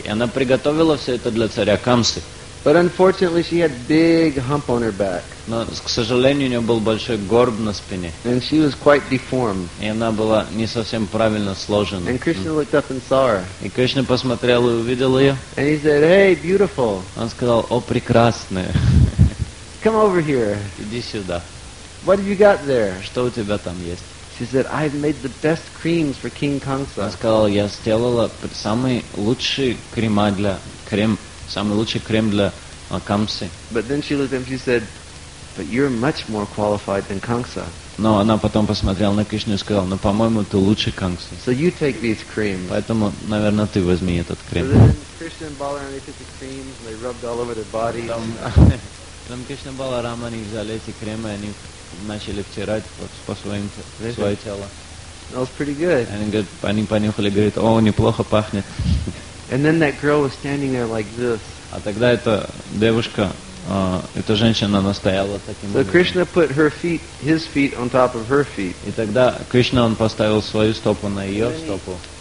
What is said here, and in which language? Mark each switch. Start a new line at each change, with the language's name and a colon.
Russian: И она приготовила все это для царя Камсы.
English: But unfortunately, she had big hump on her back.
Russian: Но, к сожалению, у нее был большой горб на спине.
English: And she was quite deformed.
Russian: И она была не совсем правильно сложена.
English: And Krishna looked up and saw her.
Russian: И Кришна посмотрел и увидел ее.
English: And he said, "Hey, beautiful."
Russian: Он сказал: "О, прекрасная."
English: "Come over here."
Russian: Иди сюда.
English: "What have you got there?"
Russian: Что у тебя там есть?
English: She said, "I've made the best creams for King Kamsa."
Russian: Он сказал: "Я сделала самый лучший крема для крем." Самый лучший крем для Камсы.
English: But then she looked at him, she said, "But you're much more qualified than Kamsa."
Russian: Но она потом посмотрела на Кришну и сказала: "Но, по-моему, ты лучше Камсы."
English: So you take these creams.
Russian: Поэтому, наверное, ты возьми этот крем.
English: So then Krishna and Balaram, they took the creams and they rubbed all over their bodies.
Russian: Там Кришна Баларама, они взяли эти кремы, они начали втирать по своему телу.
English: That was pretty good.
Russian: Они понюхали, говорит: "О, неплохо пахнет."
English: And then that girl was standing there like this.
Russian: А тогда эта девушка, эта женщина, она стояла таким образом.
English: So Krishna put his feet on top of her feet.
Russian: И тогда Кришна, он поставил свою стопу на ее стопу.